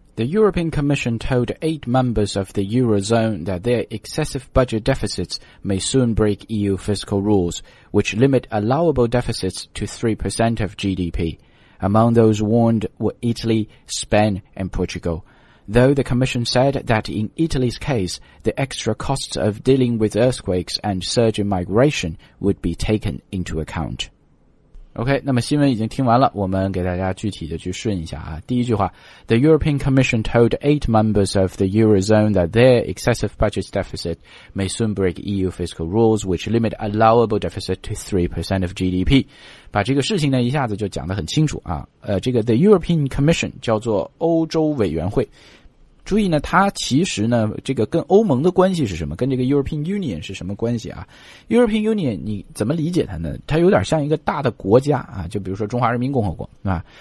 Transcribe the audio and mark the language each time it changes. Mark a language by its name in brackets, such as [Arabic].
[English] The European Commission told 8 members of the Eurozone that their excessive budget deficits may soon break EU fiscal rules, which limit allowable deficits to 3% of GDP. Among those warned were Italy, Spain, and Portugal. Though the Commission said that in Italy's case, the extra costs of dealing with earthquakes and surge in migration would be taken into account. [Chinese] OK, 那么新闻已经听完了，我们给大家具体的去顺一下啊。第一句话， [English] The European Commission told 8 members of the Eurozone that their excessive budget deficit may soon break EU fiscal rules, which limit allowable deficit to 3% of GDP. [Chinese] 把这个事情呢一下子就讲得很清楚啊。这个 The European Commission 叫做欧洲委员会。注意呢，它其实呢，这个跟欧盟的关系是什么？跟这个 European Union 是什么关系啊？ European Union 你怎么理解它呢？它有点像一个大的国家啊，就比如说中华人民共和国，是吧？